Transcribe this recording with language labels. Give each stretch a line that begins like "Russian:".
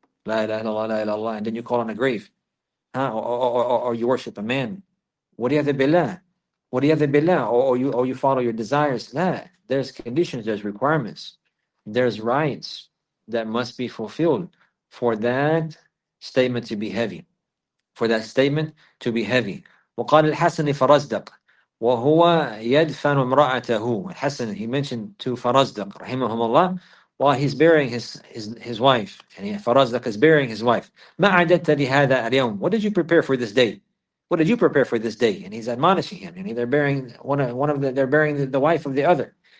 English: La ilaha illallah, la ilaha illallah, and then you call on a grave. Huh? Or you worship a man. Wariyadha billah. Wariyadha billah. Or you follow your desires. Nah. There's conditions, there's requirements. There's rights that must be fulfilled for that statement to be heavy. For that statement to be heavy.
Arabic: وقال الحسن فرزدق وهو يدفن امرأته.
English: الحسن, he mentioned to فرزدق رحمهم الله, while he's burying his wife. And فرزدق is burying his wife.
Arabic: ما عددت لهذا اليوم.
English: What did you prepare for this day? What did you prepare for this day? And he's admonishing him. And they're burying the wife of the other.